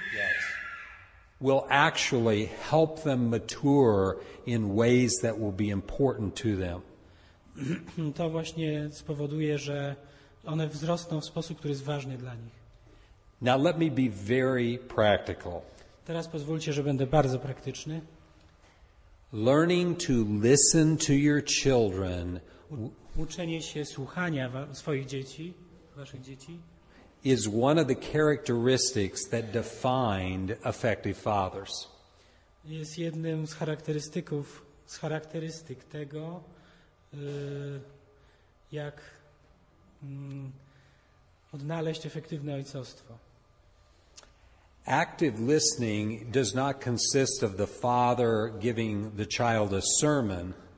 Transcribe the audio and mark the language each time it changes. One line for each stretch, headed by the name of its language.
English: yes, will actually help them mature in ways that will be important to them.
Polish: To właśnie spowoduje, że one wzrosną w sposób, który jest ważny dla nich.
English: Now let me be very practical.
Polish: Teraz pozwólcie, że będę bardzo praktyczny.
English: Learning to listen to your children.
Polish: Uczenie się słuchania swoich dzieci, waszych dzieci,
English: is one of the characteristics that defined effective fathers.
Polish: Jest jednym z charakterystyków, z charakterystyk tego, jak odnaleźć efektywne ojcostwo.
English: Active listening does not consist of the father giving the child a sermon.